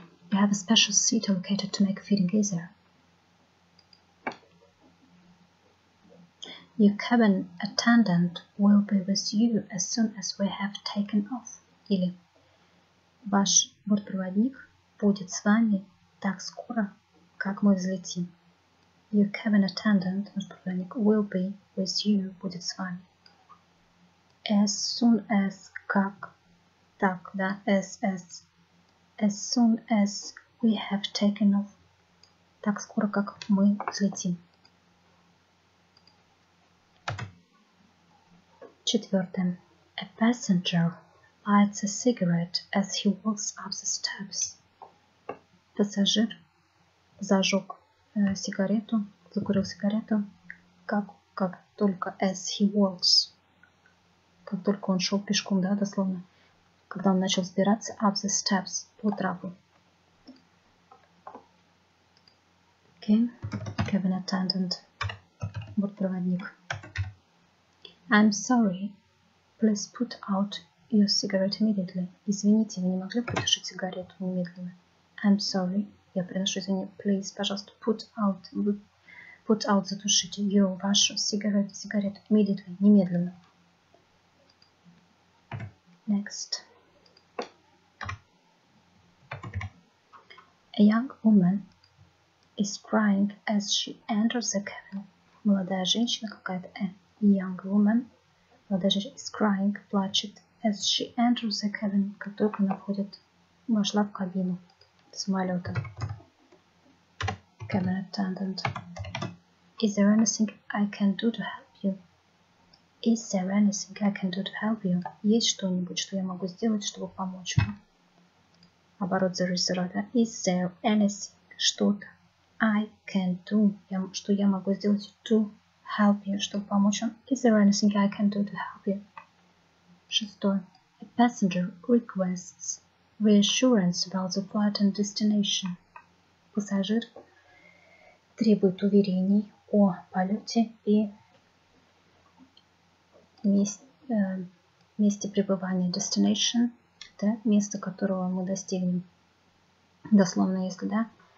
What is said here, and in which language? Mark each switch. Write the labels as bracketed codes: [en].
[en] You have a special seat allocated to make feeding easier. Your cabin attendant will be with you as soon as we have taken off. [ru] Или ваш бортпроводник будет с вами так скоро, как мы взлетим. [en] Your cabin attendant, [ru] бортпроводник, [en] will be with you, [ru] будет с вами. [en] As soon as, [ru] как, так, да, [en] as soon as we have taken off. [ru] Так скоро, как мы взлетим. Четвертое. [en] A passenger lights a cigarette as he walks up the steps. [ru] Пассажир зажег сигарету, закурил сигарету, как только [en] as he walks, [ru] как только он шел пешком, да, дословно, когда он начал взбираться [en] up the steps [ru] по трапу. [en] Okay, cabin attendant, [ru] бортпроводник. [en] I'm sorry, please put out your cigarette immediately. [ru] Извините, вы не могли потушить сигарету немедленно? [en] I'm sorry, [ru] я приношу извинения. [en] Please, [ru] пожалуйста, [en] put out, [ru] затушите вашу сигарету [en] immediately, [ru] немедленно. [en] Next. A young woman is crying as she enters the cabin. [ru] Молодая женщина какая-то. [en] A young woman. [ru] Молодая женщина [en] is crying, [ru] плачет, [en] as she enters the cabin, [ru] как только она вошла в кабину самолета. [en] Cabin attendant. Is there anything I can do to help you? Is there anything I can do to help you? [ru] Есть что-нибудь, что я могу сделать, чтобы помочь вам? Оборот за резервата. [en] Is there anything, [ru] что-то, [en] I can do, [ru] что я могу сделать [en] to help you, [ru] чтобы помочь вам? [en] Is there anything I can do to help you? [ru] Шестой. [en] A passenger requests reassurance about the flight and destination. [ru] Пассажир требует уверений о полете и месте пребывания. Destination – это место, которого мы достигнем. Дословно, если да.